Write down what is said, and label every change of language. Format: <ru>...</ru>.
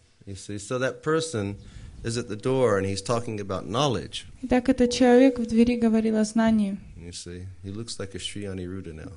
<en>You see, so that person is at the door and he's talking about knowledge.</en> <ru>Так этот человек в двери говорил о знании.</ru> <en>You see, he looks like a Sri Aniruddha now.</en>